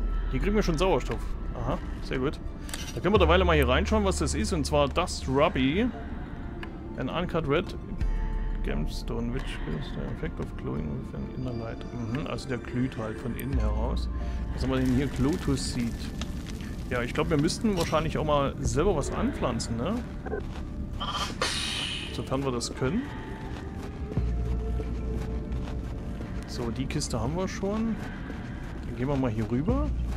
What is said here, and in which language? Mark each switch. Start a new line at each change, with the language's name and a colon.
German: Hier kriegen wir schon Sauerstoff. Aha, sehr gut. Da können wir derweil mal hier reinschauen, was das ist. Und zwar Dust Ruby.
English: An Uncut Red Gemstone, which gives the effect of glowing with an inner light.
German: Mhm, also der glüht halt von innen heraus. Was haben wir denn hier? Lotus Seed. Ja, ich glaube, wir müssten wahrscheinlich auch mal selber was anpflanzen, ne? Sofern wir das können. So, die Kiste haben wir schon. Dann gehen wir mal hier rüber.